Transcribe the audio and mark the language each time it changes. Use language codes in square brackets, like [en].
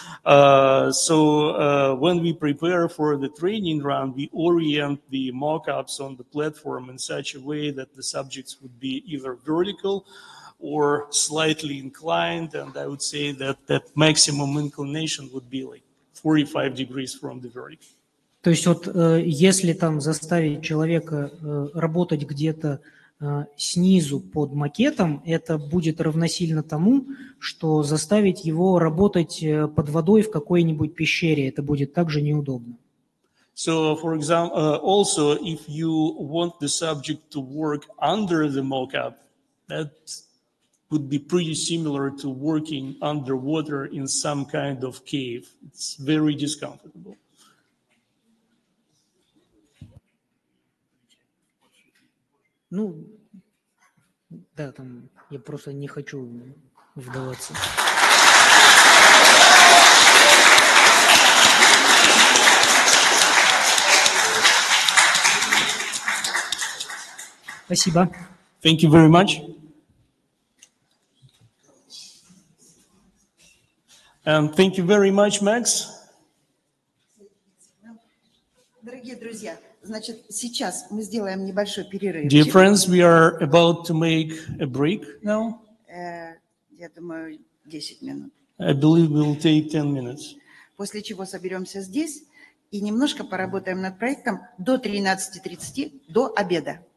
[en] So when we prepare for the training run, we orient the mock-ups on the platform in such a way that the subjects would be either vertical or slightly inclined. And I would say that that maximum inclination would be like 45 degrees from the vertical. [ru] То есть вот если там заставить человека работать где-то снизу под макетом, это будет равносильно тому, что заставить его работать под водой в какой-нибудь пещере. Это будет также неудобно. [en] So, for example, also, if you want the subject to work under the mock-up, that would be pretty similar to working underwater in some kind of cave. It's very discomfortable. [ru] Ну, да, там, я просто не хочу вдаваться. Спасибо. [en] Thank you very much. And thank you very much, Max. [ru] Дорогие друзья, значит, сейчас мы сделаем небольшой перерыв. [en] Dear friends, we are about to make a break now. [ru] Я думаю, 10 минут. [en] I believe we'll take 10 minutes. [ru] После чего соберемся здесь и немножко поработаем над проектом до 13:30, до обеда.